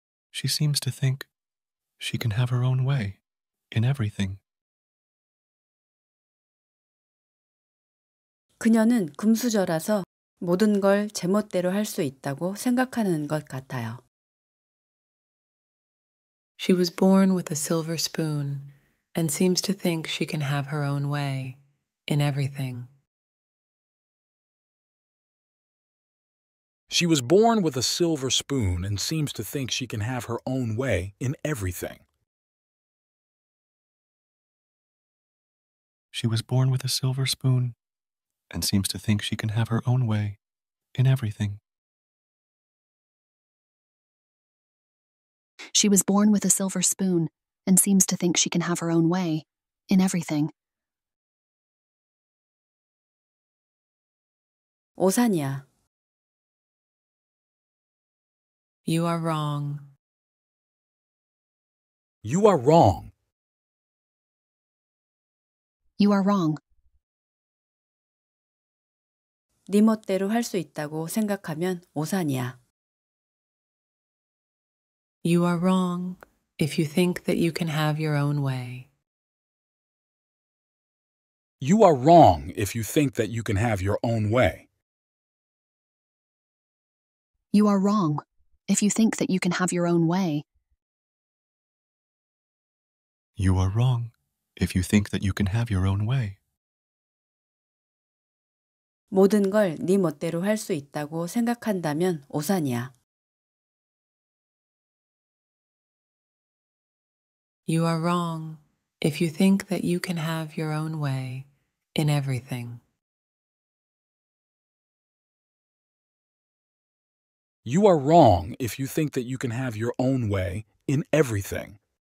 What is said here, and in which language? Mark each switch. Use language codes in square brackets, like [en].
[en] She seems to think she can have her own way in everything. [ko] 그녀는 금수저라서 모든 걸 제멋대로 할 수 있다고 생각하는 것 같아요. [en] She was born with a silver spoon and seems to think she can have her own way in everything. She was born with a silver spoon and seems to think she can have her own way in everything. She was born with a silver spoon and seems to think she can have her own way in everything. She was born with a silver spoon and seems to think she can have her own way in everything. [ko] 오산이야. [en] You are wrong. You are wrong. You are wrong. [ko] 네 멋대로 할 수 있다고 생각하면 오산이야. [en] You are wrong if you think that you can have your own way. You are wrong if you think that you can have your own way. You are wrong if you think that you can have your own way. You are wrong if you think that you can have your own way. [ko] 모든 걸 네 멋대로 할 수 있다고 생각한다면 오산이야. [en] You are wrong if you think that you can have your own way in everything. You are wrong if you think that you can have your own way in everything.